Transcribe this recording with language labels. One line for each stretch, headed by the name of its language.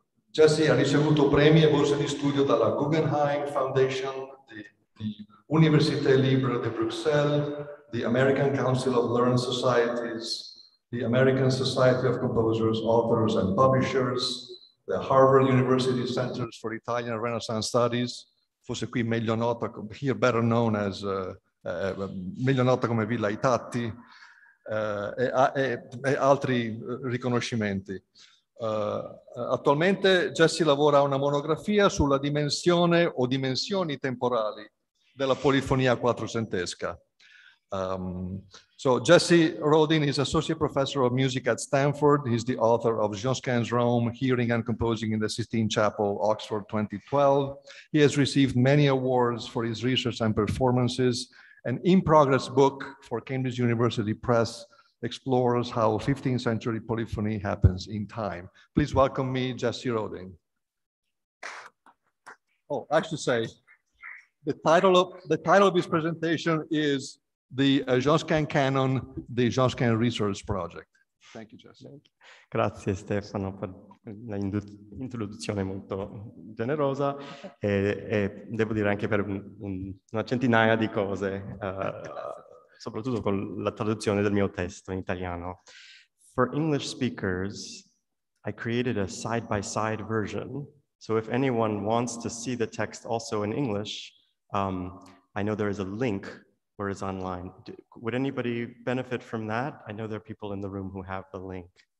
Italian: Jesse ha ricevuto premi e borse di studio dalla Guggenheim Foundation, di Université Libre di Bruxelles, the American Council of Learned Societies, the American Society of Composers, Authors and Publishers, the Harvard University Centers for Italian Renaissance Studies, forse qui meglio nota,
English: here better known as,
Italian: meglio nota come Villa Itatti, e altri riconoscimenti. Attualmente Jesse lavora a una monografia sulla dimensione o dimensioni temporali della polifonia quattrocentesca.
English: So Jesse Rodin is Associate Professor of Music at Stanford. He's the author of Josquin's Rome, Hearing and Composing in the Sistine Chapel, Oxford, 2012. He has received many awards for his research and performances. An in-progress book for Cambridge University Press explores how 15th century polyphony happens in time. Please welcome me, Jesse Rodin. Oh, I should say, the title of his presentation is The Josquin Canon, the Josquin Research Project. Thank you, Jesse.
Italian: Grazie Stefano per l'introduzione molto generosa e devo dire anche per una centinaia di cose, soprattutto con la traduzione del mio testo in italiano.
English: For English speakers, I created a side-by-side version, so if anyone wants to see the text also in English, I know there is a link or is online. Would anybody benefit from that? I know there are people in the room who have the link.